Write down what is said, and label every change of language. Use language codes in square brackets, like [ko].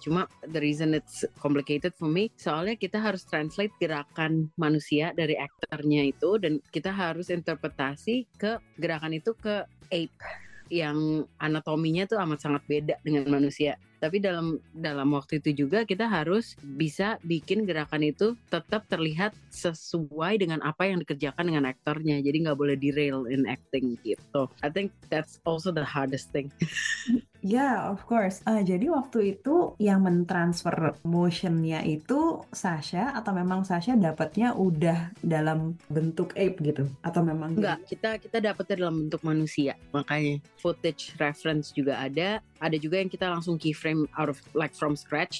[id] Cuma the reason it's complicated for me, soalnya kita harus translate gerakan manusia dari aktornya itu, dan kita harus interpretasi ke gerakan itu ke ape yang anatominya tuh amat sangat beda dengan manusia. Tapi dalam waktu itu juga kita harus bisa bikin gerakan itu tetap terlihat sesuai dengan apa yang dikerjakan dengan aktornya. Jadi nggak boleh derail in acting gitu. [en] I think that's also the hardest thing. Yeah, of course. [id] Jadi waktu itu yang mentransfer motion-nya itu Sasha, atau memang Sasha dapatnya udah dalam bentuk ape gitu? Atau memang enggak, kita dapatnya dalam bentuk manusia. Makanya footage reference juga ada. Ada juga yang kita langsung keyframe out of like from scratch.